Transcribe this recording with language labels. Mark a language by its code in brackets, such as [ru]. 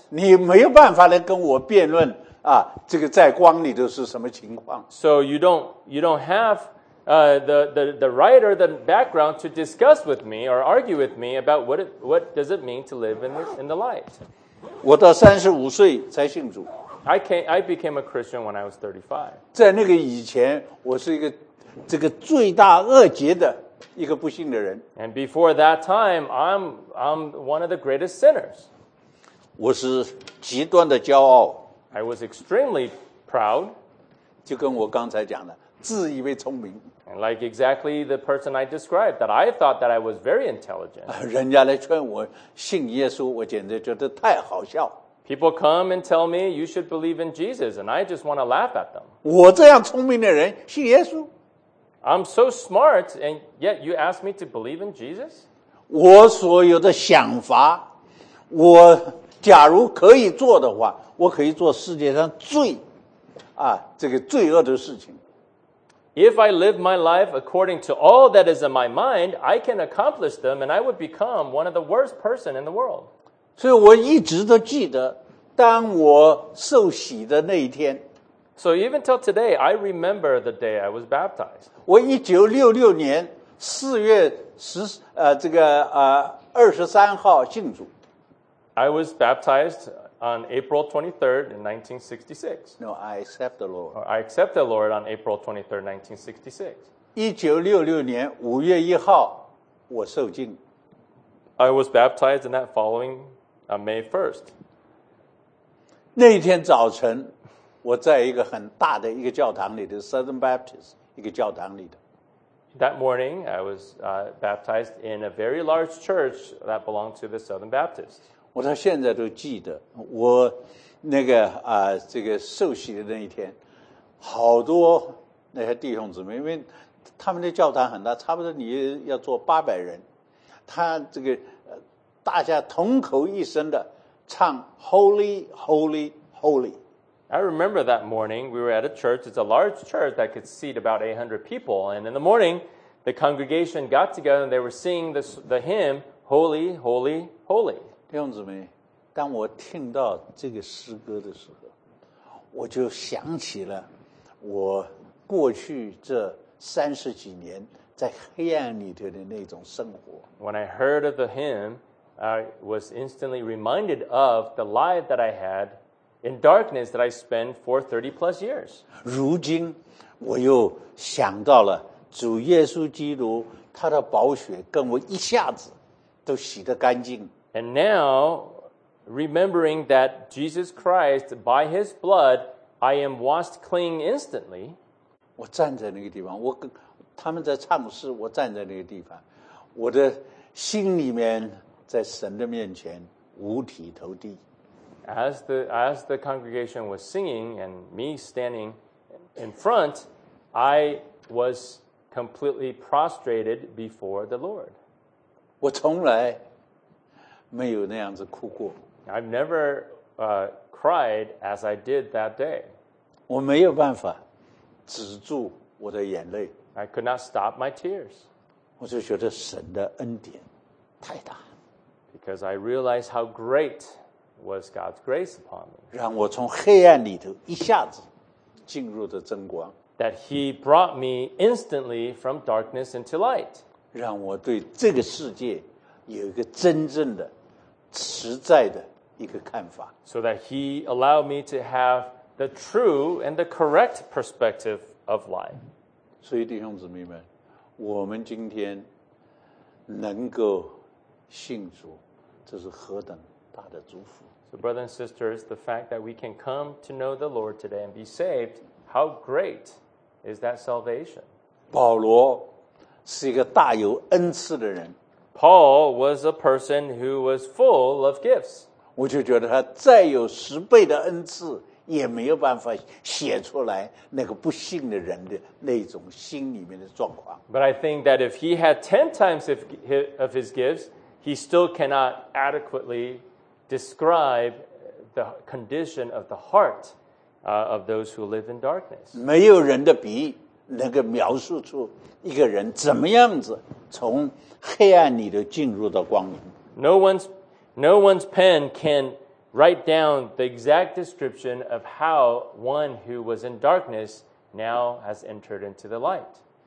[zh] 你没有办法来跟我辩论啊，这个在光里头是什么情况。 [en] So you don't have the right or the background to discuss with me or argue with me about what does it mean to live in the light. [zh] 我到35岁才信主。 [en] I became a Christian when I was 35. [zh] 在那个以前，我是一个这个罪大恶极的一个不信的人。 [en] And before that time, I'm one of the greatest sinners. [zh] 我是极端的骄傲。 [en] I was extremely proud. [zh] 就跟我刚才讲的，自以为聪明。 [en] And like exactly the person I described, that I thought that I was very intelligent. [zh] 人家来劝我信耶稣，我简直觉得太好笑。 [en] People come and tell me you should believe in Jesus, and I just want to laugh at them. [zh] 我这样聪明的人信耶稣。 [en] I'm so smart, and yet you ask me to believe in Jesus? [zh] 我所有的想法，我假如可以做的话，我可以做世界上最，这个罪恶的事情。 [en] If I live my life according to all that is in my mind, I can accomplish them, and I would become one of the worst person in the world. [zh] 所以我一直都记得当我受洗的那一天。 [en] So even till today, I remember the day I was baptized. [zh] 我1966年4月10这个23号信主。 [en] I was baptized on April 23rd in 1966. No, I accept the Lord. I accept the Lord on April 23rd, 1966. [zh] 1966年5月1号我受浸。 [en] I was baptized in that following on May 1st. [zh] 那一天早晨我在一个很大的一个教堂里的 Southern Baptist 一个教堂里的。 [en] That morning, I was baptized in a very large church that belonged to the Southern Baptist. [zh] 我到现在都记得，我那个这个受洗的那一天，好多那些弟兄姊妹，因为他们的教堂很大，差不多你要坐800人，他这个大家同口一声的唱 Holy, Holy, Holy。 [en] I remember that morning we were at a church. It's a large church that could seat about 800 people. And in the morning, the congregation got together and they were singing this, the hymn, Holy, Holy, Holy. [zh] 弟兄姊妹，当我听到这个诗歌的时候，我就想起了我过去这三十几年在黑暗里头的那种生活。 [en] When I heard of the hymn, I was instantly reminded of the life that I had in darkness that I spent for 30 plus years. [zh] 如今我又想到了主耶稣基督他的宝血跟我一下子都洗得干净。 [en] And now, remembering that Jesus Christ, by his blood, I am washed clean instantly. [zh] 我站在那个地方，我跟他们在唱诗，我站在那个地方，我的心里面在神的面前五体投地。 [en] As the congregation was singing and me standing in front, I was completely prostrated before the Lord. [zh] 我从来没有那样子哭过。 [en] I've never cried as I did that day. [zh] 我没有办法止住我的眼泪。 [en] I could not stop my tears. [zh] 我就觉得神的恩典太大。 [en] Because I realized how great was God's grace upon me. [zh] 让我从黑暗里头一下子进入的真光。 [en] That he brought me instantly from darkness into light. [zh] 让我对这个世界有一个真正的实在的一个看法。 [en] So that he allowed me to have the true and the correct perspective of life. [zh] 所以弟兄姊妹们，我们今天能够信主，这是何等 [en] So, brothers and sisters, the fact that we can come to know the Lord today and be saved, how great is that salvation? [zh] 保罗是一个大有恩赐的人。 [en] Paul was a person who was full of gifts. [zh] 我就觉得他再有十倍的恩赐，也没有办法写出来那个不信的人的那种心里面的状况。 [en] But I think that if he had 10 times of his gifts, he still cannot adequately describe the condition of the heart of those who live in darkness. [zh] 没有人的笔能够描述出一个人怎么样子从黑暗里头进入到光明。 [en] No one's pen can write down the exact description of how one who was in darkness now has entered into the light.